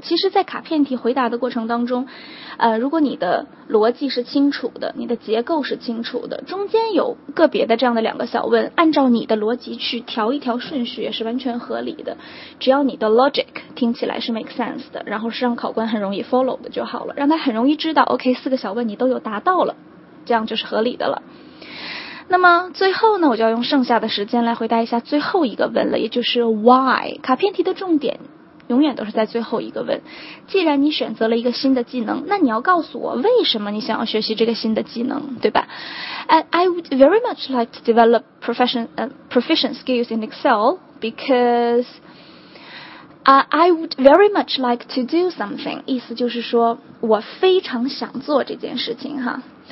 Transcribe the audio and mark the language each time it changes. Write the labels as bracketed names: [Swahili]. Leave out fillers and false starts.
[Chinese] 其实在卡片题回答的过程当中，如果你的逻辑是清楚的，你的结构是清楚的，中间有个别的这样的两个小问，按照你的逻辑去调一调顺序也是完全合理的，只要你的 logic 听起来是 [English] make sense [Chinese] 的，然后是让考官很容易 follow 的就好了，让他很容易知道 OK 四个小问你都有答到了，这样就是合理的了。那么最后呢，我就要用剩下的时间来回答一下最后一个问了，也就是 why。 卡片题的重点永远都是在最后一个问。既然你选择了一个新的技能，那你要告诉我为什么你想要学习这个新的技能，对吧？ [English] I would very much like to develop proficient skills in Excel because I would very much like to do something. [Chinese] 意思就是说我非常想做这件事情哈。